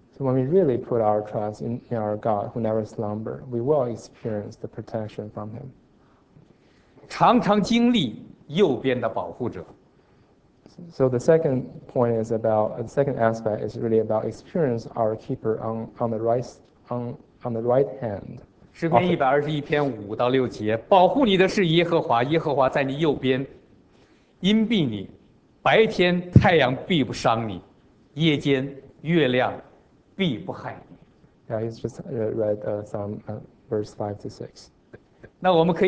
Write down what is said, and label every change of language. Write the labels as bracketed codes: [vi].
[en] So when we really put our trust in our God who never slumber, we will experience the protection from Him. [zh] 常常经历右边的保护者。 [en] So the second point is about, the second aspect is really about experience our keeper on the right hand. [zh] 诗篇121篇5到6节，保护你的是耶和华，耶和华在你右边，荫庇你，白天太阳必不伤你，夜间月亮 [en] Yeah, he's just read some verse 5 to 6.